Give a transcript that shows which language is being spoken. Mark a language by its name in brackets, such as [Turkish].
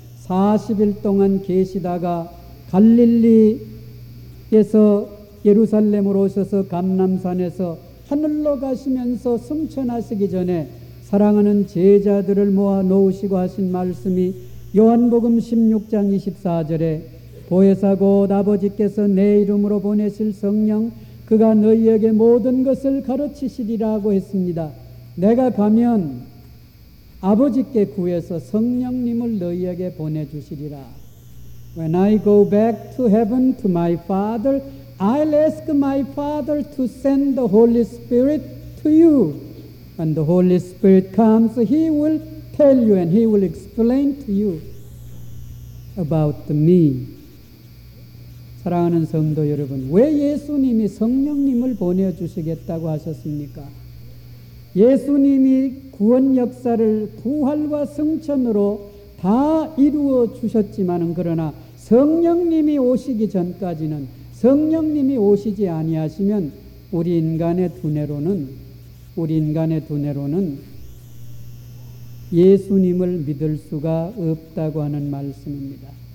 [Korean] 40일 동안 계시다가 갈릴리에서 예루살렘으로 오셔서 감람산에서 하늘로 가시면서 승천하시기 전에 사랑하는 제자들을 모아 놓으시고 하신 말씀이 요한복음 16장 24절에 보혜사 곧 아버지께서 내 이름으로 보내실 성령 그가 너희에게 모든 것을 가르치시리라고 했습니다. 내가 가면 아버지께 구해서 성령님을 너희에게 보내주시리라. [English] When I go back to heaven to my Father, I'll ask my Father to send the Holy Spirit to you. When the Holy Spirit comes, He will tell you and He will explain to you about me. [Korean] 사랑하는 성도 여러분, 왜 예수님이 성령님을 보내주시겠다고 하셨습니까? 예수님이 구원 역사를 부활과 승천으로 다 이루어 주셨지만은 그러나 성령님이 오시기 전까지는 성령님이 오시지 아니하시면 우리 인간의 두뇌로는 예수님을 믿을 수가 없다고 하는 말씀입니다.